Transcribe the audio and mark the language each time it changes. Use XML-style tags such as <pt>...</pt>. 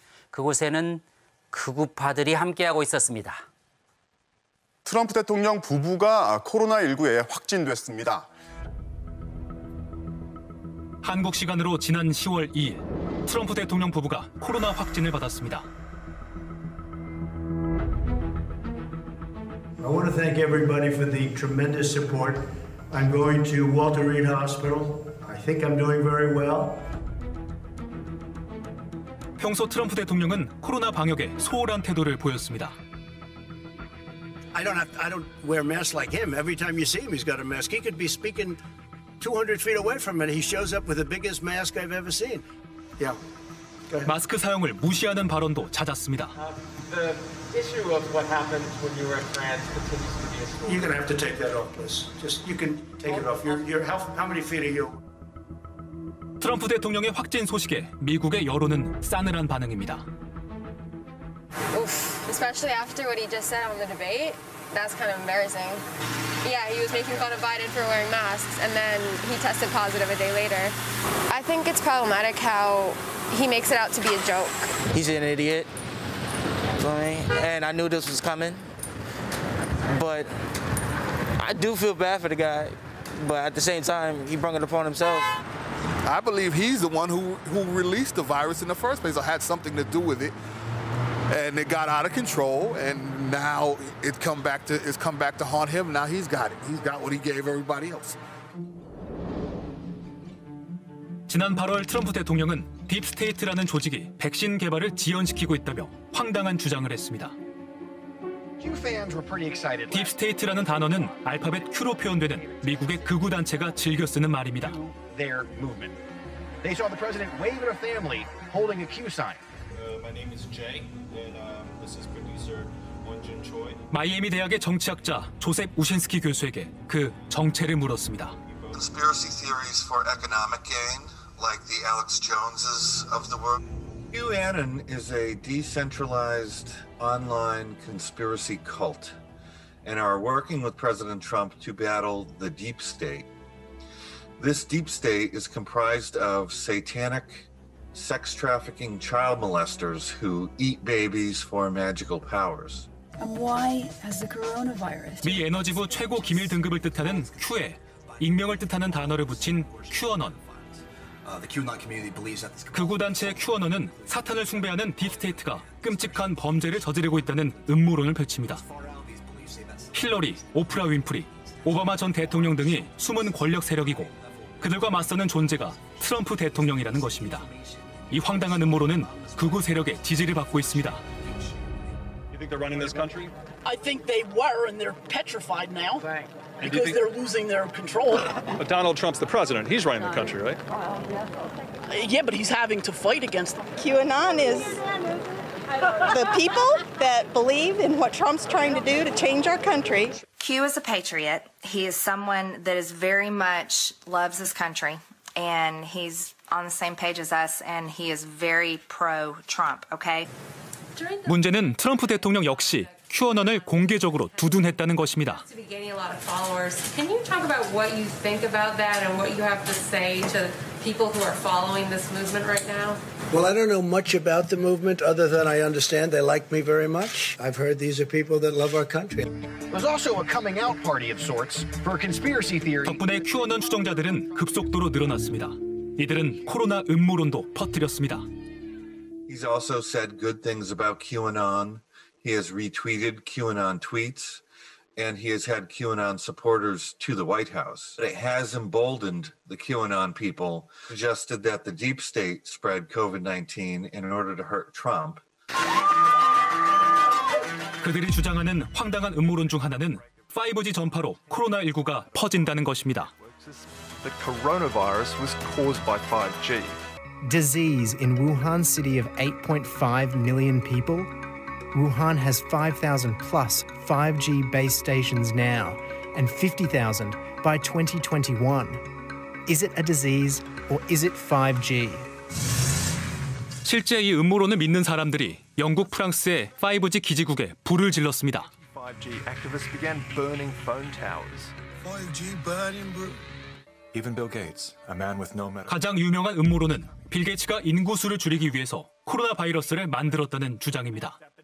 <ko>그곳에는 극우파들이 함께하고 있었습니다. 트럼프 대통령 부부가 코로나19에 확진됐습니다. 한국 시간으로 지난 10월 2일 트럼프 대통령 부부가 코로나 확진을 받았습니다.</ko> <en>I want to thank everybody for the tremendous support. I'm going to Walter Reed Hospital. I think I'm doing very well.</en> <ko>평소 트럼프 대통령은 코로나 방역에 소홀한 태도를 보였습니다.</ko> <en>I don't wear masks like him. Every time you see him, he's got a mask. He could be speaking 200 feet away from me. He shows up with the biggest mask I've ever seen. Yeah.</en> <ko>마스크 사용을 무시하는 발언도 잦았습니다.</ko> <en>The issue of what happened when you were in France continues to be a story. You're gonna have to take that off, please. Just you can take it off. You're how many feet are you?</en> <ko>트럼프 대통령의 확진 소식에 미국의 여론은 싸늘한 반응입니다. Oof.</ko> <en>Especially after what he just said on the debate, that's kind of embarrassing. Yeah, he was making fun of Biden for wearing masks, and then he tested positive a day later. I think it's problematic how he makes it out to be a joke. He's an idiot for me, and I knew this was coming. But I do feel bad for the guy, but at the same time, he brought it upon himself. I believe he's the one who released the virus in the first place or had something to do with it. And it got out of control, and now it's come back to haunt him. Now he's got it. He's got what he gave everybody else.</en> <ko>지난 8월 트럼프 대통령은 딥스테이트라는 조직이 백신 개발을 지연시키고 있다며 황당한 주장을 했습니다. 딥스테이트라는 단어는 알파벳 Q로 표현되는 미국의 극우 단체가 즐겨 쓰는 말입니다.</ko> <en>Their movement. They saw the president wave at a family holding a Q sign. My name is Jay, and this is producer Wonjun Choi.</en> <ko>마이애미 대학의 정치학자 조셉 우신스키 교수에게 그 정체를 물었습니다.</ko> <en>Conspiracy theories for economic gain, like the Alex Joneses of the world. QAnon is a decentralized online conspiracy cult, and are working with President Trump to battle the deep state. This deep state is comprised of satanic sex trafficking child molesters who eat babies for magical powers. And why has the coronavirus?</en> <ko>미 에너지부 최고 기밀 등급을 뜻하는 Q에 익명을 뜻하는 단어를 붙인 QAnon. 극우 단체 QAnon은 사탄을 숭배하는 딥스테이트가 끔찍한 범죄를 저지르고 있다는 음모론을 펼칩니다. 힐러리, 오프라 윈프리, 오바마 전 대통령 등이 숨은 권력 세력이고 그들과 맞서는 존재가 트럼프 대통령이라는 것입니다. 이 황당한 음모론은 극우 세력의 지지를 받고 있습니다.</ko> <en>You think they're running this country? I think they were and they're petrified now. Because they're losing their control. But Donald Trump's the president. He's running the country, right? Yeah, but he's having to fight against them. QAnon is the people that believe in what Trump's trying to do to change our country. Q is a patriot. He is someone that is very much loves his country. And he's on the same page as us. And he is very pro-Trump, okay?</en> <ko>문제는 트럼프 대통령 역시 QAnon을 공개적으로 두둔했다는 것입니다.</ko> <en>Can you talk about what you think about that and what you have to say to people who are following this movement right now? Well, I don't know much about the movement other than I understand they like me very much. I've heard these are people that love our country. It was also a coming out party of sorts for a conspiracy theory.</en> <ko>덕분에 QAnon 추종자들은 급속도로 늘어났습니다. 이들은 코로나 음모론도 퍼뜨렸습니다.</ko> <en>He's also said good things about QAnon. He has retweeted QAnon tweets, and he has had QAnon supporters to the White House. It has emboldened the QAnon people, suggested that the deep state spread COVID-19 in order to hurt Trump.</en> <ko>그들이 주장하는 황당한 음모론 중 하나는 5G 전파로 코로나19가 퍼진다는 것입니다.</ko> <en>The coronavirus was caused by 5G. Disease in Wuhan city of 8.5 million people. Wuhan has 5,000 plus 5G base stations now and 50,000 by 2021. Is it a disease or is it 5G?</en> <ko>실제 이 음모론을 믿는 사람들이 영국 프랑스의 5G 기지국에 불을 질렀습니다.</ko> <en>5G activists began burning phone towers. 5G burning Even Bill Gates, a man with no medical.</en> <ko>가장 유명한 음모론은 빌 게이츠가 인구 수를 줄이기 위해서 코로나 바이러스를 만들었다는 주장입니다.</ko>